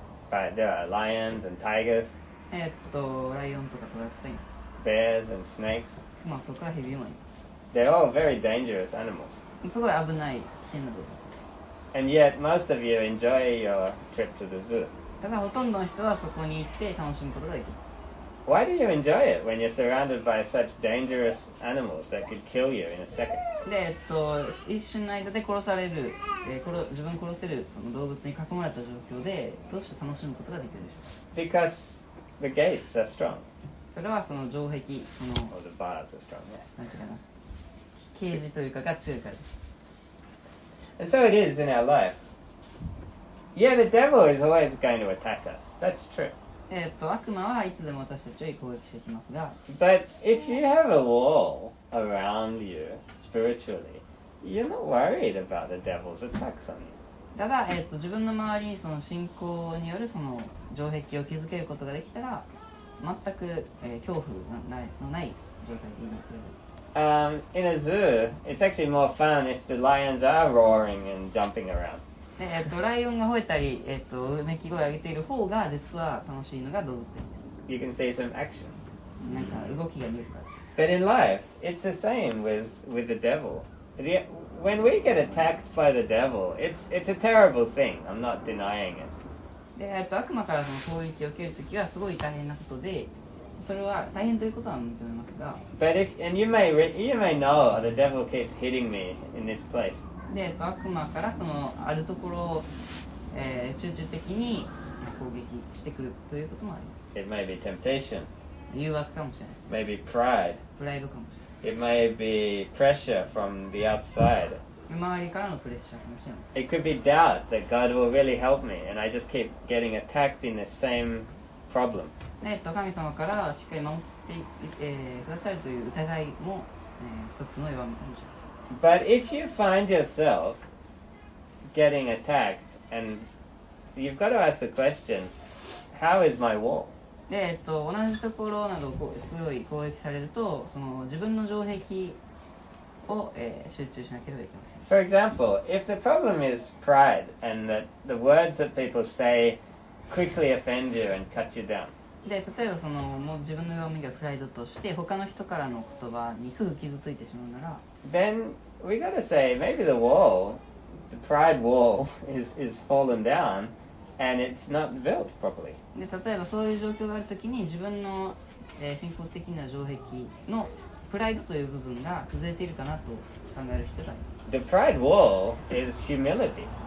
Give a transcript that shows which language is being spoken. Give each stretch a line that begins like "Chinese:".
English: Right, there are lions and tigers.
Japanese: ライオンとかトラとかいます。
English: Bears and snakes.
Japanese: クマとかヘビもいます。
English: They're all very dangerous animals.
Japanese: すごい危ない変な動物。
English: And yet, most of you enjoy your trip to the zoo.
Japanese: ただほとんどの人はそこに行って楽しむことができます。
English: Why do you enjoy it when you're surrounded by such dangerous animals that could kill you in a second?
Japanese: で、一瞬の間で殺される、自分殺せるその動物に囲まれた状況でどうして楽しむことができるでしょうか?
English: Because the gates are strong.
Japanese: それはその城壁、その、
English: Or the bars are strong, yeah.
Japanese: なんていうかな、ケージというかが強いからです。
English: And so it is in our life. Yeah, the devil is always going to attack us. That's true.
Japanese: 悪魔はいつでも私たちを攻撃してきますが。
English: But if you have a wall around you spiritually, you're not worried about the devil's attacks on you.
Japanese: ただ、自分の周りにその信仰によるその城壁を築けることができたら、全く、恐怖のない状態でいる。
English: In a zoo, it's actually more fun if the lions are roaring and jumping around.
Japanese: ライオンが吠えたり、うめき声を上げている方が実は楽しいのが動物園です。
English: You can see some action.
Japanese: なんか動きが見えるから。
English: But in life, it's the same with the devil. When we get attacked by the devil, it's a terrible thing. I'm not denying it.
Japanese: 悪魔からその攻撃を受けるときはすごい大変なことで、それは大変ということは認めますが。
English: But if, and you may know the devil keeps hitting me in this place.
Japanese: で、悪魔からそのあるところを、集中的に攻撃してくるということもあります。
English: It may be temptation.
Japanese: 誘惑かもしれない。
English: Maybe pride.
Japanese: プライドかもしれない。
English: It may be pressure from the outside.
Japanese: 周りからのプレッシャーかもしれない。
English: It could be doubt that God will really help me and I just keep getting attacked in the same problem.
Japanese: 神様からしっかり守って、くださるという疑いも、一つの弱みかもしれません。
English: But if you find yourself getting attacked and you've got to ask the question, how is my wall?
Japanese: で、同じところなどをすごい攻撃されると、その自分の城壁を、集中しなければいけません。
English: For example, if the problem is pride and that the words that people say quickly offend you and cut you down.
Japanese: で例えばそのもう自分の弱みがプライドとして他の人からの言葉にすぐ傷ついてしまうなら
English: Then we gotta say maybe the wall, the pride wall is fallen down and it's not built properly.
Japanese: で例えばそういう状況があるときに自分の、信仰的な城壁のプライドという部分が崩れているかなと考える人がいます。
English: The pride wall is humility.